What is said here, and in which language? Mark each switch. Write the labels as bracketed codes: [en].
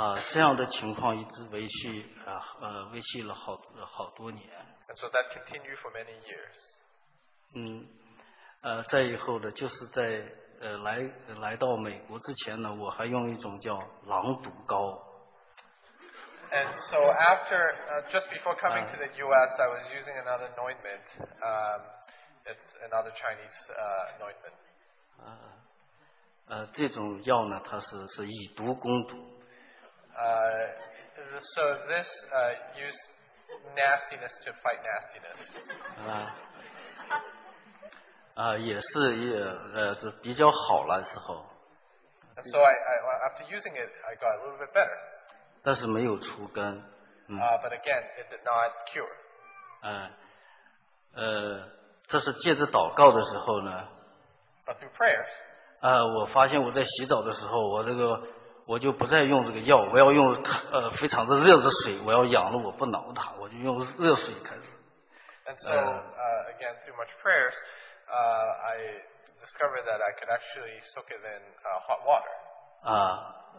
[zh] 这样的情况一直维系了好多年。 [en] And so that continued for many years. [zh] 再以后呢，就是在来到美国之前呢，我还用一种叫狼毒膏。 [en] And so after just before coming to the U.S., I was using another ointment. It's another Chinese ointment. [zh] 这种药呢，它是以毒攻毒。 [en] So this use nastiness to fight nastiness. [zh] 也是比较好了之后。 [en] So I after using it, I got a little bit better. [zh] 但是没有除根, [en] but again, it did not cure. [zh] 这是借着祷告的时候呢, [en] but through prayers, [zh] 我发现我在洗澡的时候，我这个。我就不再用这个药，我要用非常的热的水，我要养了我不挠它，我就用热水开始。 [en] And so, again, through much prayers, I discovered that I could actually soak it in hot water.